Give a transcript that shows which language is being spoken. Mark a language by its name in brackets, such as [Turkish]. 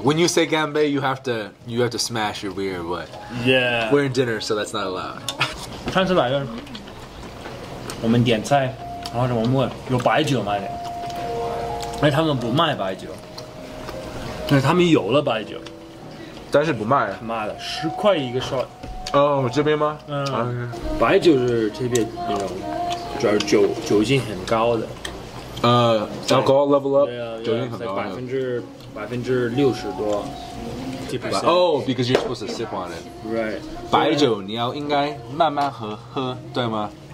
[English] When you say ganbei, you have to smash your beer, but yeah. We're in dinner, so that's not allowed. [Chinese] 看出来了。我们点菜，然后我们问有白酒吗？那他们不卖白酒，那他们有了白酒，但是不卖啊。妈的，10块一个 shot。哦，这边吗？嗯。白酒是这边那种，主要酒精很高的。 [English] Alcohol level up。 [Chinese] 对啊，酒精很高。 60%多。 [English] Oh, because you're supposed to sip on it. Right. [Chinese] 白酒你要应该慢慢喝，对吗？